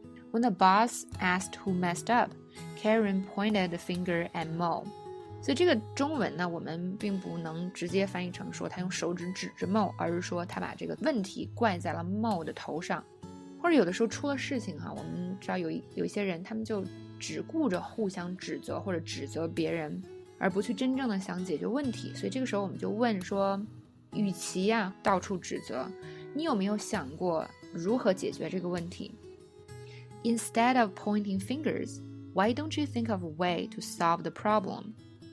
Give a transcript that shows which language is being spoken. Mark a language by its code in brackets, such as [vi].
[en] When the boss asked who messed up, Karen pointed the finger at Mo. [zh] 所以这个中文呢，我们并不能直接翻译成说他用手指指着 Mo， 而是说他把这个问题怪在了 Mo 的头上。或者有的时候出了事情，我们知道有一些人他们就只顾着互相指责或者指责别人，而不去真正的想解决问题。所以这个时候我们就问说，与其啊到处指责，你有没有想过如何解决这个问题？ [en] Instead of pointing fingers, why don't you think of a way to solve the problem?